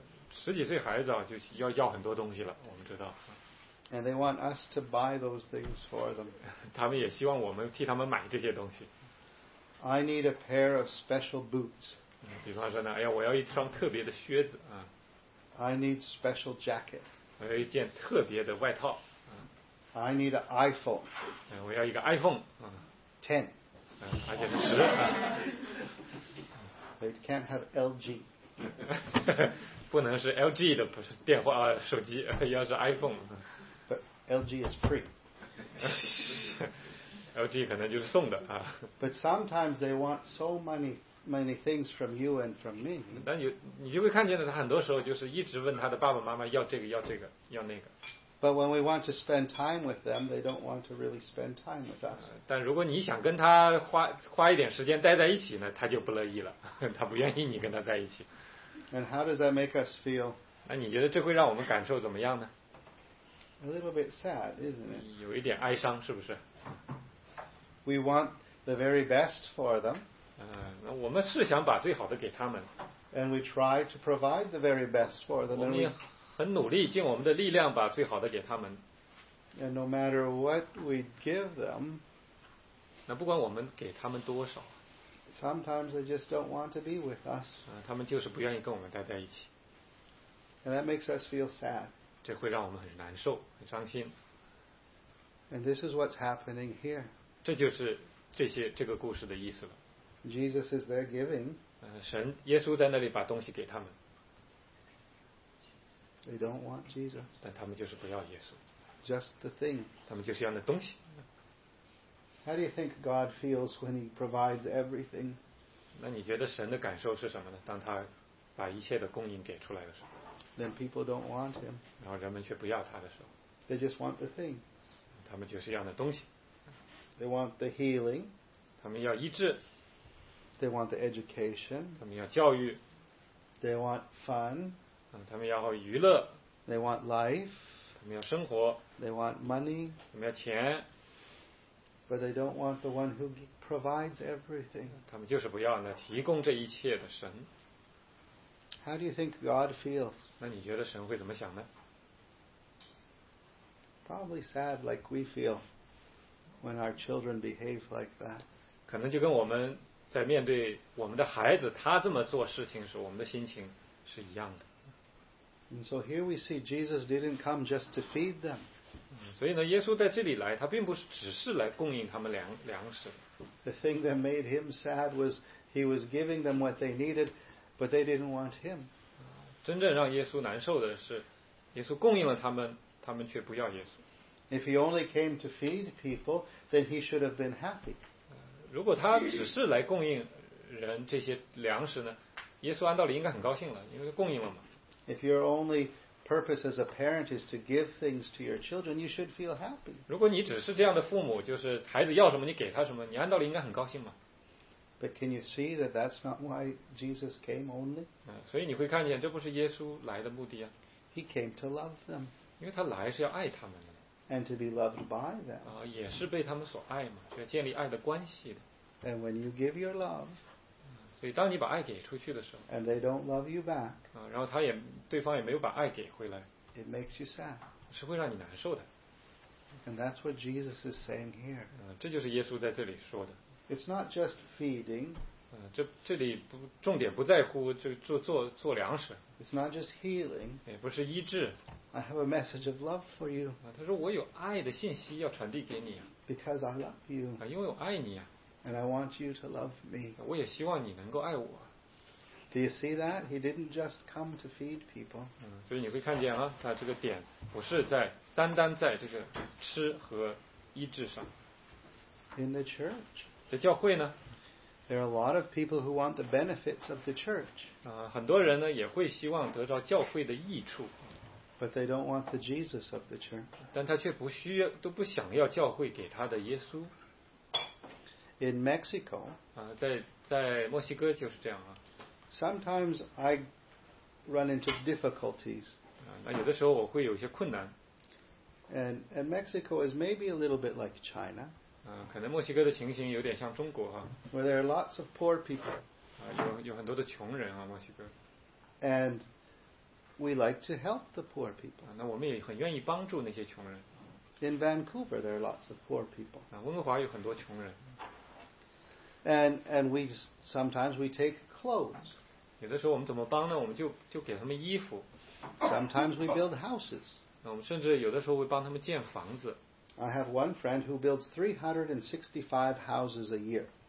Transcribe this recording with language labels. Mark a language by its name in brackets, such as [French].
[Chinese] 十几岁孩子啊，就要很多东西了，我们知道。 [English] And they want us to buy those things for them. [Chinese] 他们也希望我们替他们买这些东西。 [English] I need a pair of special boots. [Chinese] 比方说呢，哎呀，我要一双特别的靴子啊。 [English] I need special jacket. [Chinese] 我要一件特别的外套。啊、 [English] I need an iPhone. [Chinese] 我要一个 iPhone、啊。 [English] 10. [Chinese] 而且是十。 [English] They can't have LG. [Chinese] 不能是 LG 的不是电话、手机，要是 iPhone。 [English] But LG is free. [Chinese] LG 可能就是送的啊。 [English] But sometimes they want so many things from you and from me. [Chinese] 但你就会看见的，他很多时候就是一直问他的爸爸妈妈要这个要这个要那个。 [English] But when we want to spend time with them, they don't want to really spend time with us. [Chinese] 但如果你想跟他花一点时间待在一起呢，他就不乐意了，他不愿意你跟他在一起。 [English] And how does that make us feel? [Chinese] 那你觉得这会让我们感受怎么样呢？ [English] A little bit sad, isn't it? [Chinese] 有一点哀伤，是不是？ [English] We want the very best for them. [Chinese] 那我们是想把最好的给他们。 [English] And we try to provide the very best for them. [Chinese] 我们很努力，尽我们的力量把最好的给他们。 [English] And no matter what we give them. [Chinese] 那不管我们给他们多少。 [English] Sometimes they just don't want to be with us. [Chinese] 他们就是不愿意跟我们待在一起。 [English] And that makes us feel sad. [Chinese] 这会让我们很难受，很伤心。 [English] And this is what's happening here. [Chinese] 这就是这个故事的意思了。 [English] Jesus is there giving. [Chinese] 神耶稣在那里把东西给他们。 [English] They don't want Jesus. [Chinese] 但他们就是不要耶稣。 [English] Just the thing. [Chinese] 他们就是要那东西。 [English] How do you think God feels when He provides everything? [Chinese] 那你觉得神的感受是什么呢？当他把一切的供应给出来的时候。 [English] Then people don't want Him. [Chinese] 然后人们却不要他的时候。 [English] They just want the thing. [Chinese] 他们就是要那东西。 [English] They want the healing. [Chinese] 他们要医治。 [English] They want the education. [Chinese] 他们要教育。 [English] They want fun. [Chinese] 他们要娱乐。 [English] They want life. [Chinese] 他们要生活。 [English] They want money. [Chinese] 他们要钱。 [English] But they don't want the one who provides everything. [Chinese] 他们就是不要那提供这一切的神。 [English] How do you think God feels? [Chinese] 那你觉得神会怎么想呢？ [English] Probably sad like we feel when our children behave like that. [Chinese] 可能就跟我们在面对我们的孩子他这么做事情时我们的心情是一样的。 [English] And so here we see Jesus didn't come just to feed them. [Chinese] 所以呢，耶稣在这里来，他并不是只是来供应他们粮食。 [English] The thing that made him sad was he was giving them what they needed, but they didn't want him. [Chinese] 真正让耶稣难受的是，耶稣供应了他们，他们却不要耶稣。 [English] If he only came to feed people, then he should have been happy. [Chinese] 如果他只是来供应人这些粮食呢，耶稣按道理应该很高兴了，因为供应了嘛。 [English] If your only purpose as a parent is to give things to your children, you should feel happy. [Chinese] 如果你只是这样的父母，就是孩子要什么你给他什么，你按道理应该很高兴嘛。 [English] But can you see that that's not why Jesus came only? [Chinese] 所以你会看见，这不是耶稣来的目的啊。 [English] He came to love them. [Chinese] 因为他来是要爱他们的。 [English] And to be loved by them. [Chinese] 也是被他们所爱嘛，就要建立爱的关系的。 [English] And when you give your love. [Chinese] 所以当你把爱给出去的时候 [English] ，And they don't love you back. [Chinese] 然后他也对方也没有把爱给回来 [English] ，It makes you sad. [Chinese] 是会让你难受的。 [English] And that's what Jesus is saying here. [Chinese] 这就是耶稣在这里说的。 [English] It's not just feeding. [Chinese] 这里不重点不在乎就做粮食。 [English] It's not just healing. [Chinese] 也不是医治。 [English] I have a message of love for you. [Chinese] 他说我有爱的信息要传递给你。 [English] Because I love you. [Chinese] 因为我爱你啊。 [English] And I want you to love me. [Chinese] 我也希望你能够爱我。 [English] Do you see that? He didn't just come to feed people. [Chinese] 所以你会看见啊，他这个点不是在单单在这个吃和医治上。 [English] In the church. [Chinese] 在教会呢？ [English] There are a lot of people who want the benefits of the church. [Chinese] 很多人呢也会希望得到教会的益处。 [English] But they don't want the Jesus of the church. [Chinese] 但他却不需要，都不想要教会给他的耶稣。 [English] In Mexico. [Chinese] 在墨西哥就是这样啊。 [English] Sometimes I run into difficulties. [Chinese] 那有的时候我会有些困难。 [English] And Mexico is maybe a little bit like China. [Chinese] 可能墨西哥的情形有点像中国啊。 [English] Where there are lots of poor people. [Chinese] 有很多的穷人啊，墨西哥。 [English] And we like to help the poor people. [Chinese] 那我们也很愿意帮助那些穷人。 [English] In Vancouver, there are lots of poor people. [Chinese] 温哥华有很多穷人。 [English] And we sometimes we take clothes. [Chinese] 有的时候我们怎么帮呢？我们就给他们衣服。 [English] Sometimes we build houses. [Chinese] 我们甚至有的时候会帮他们建房子。 [English] I have one friend who builds 365 houses a year.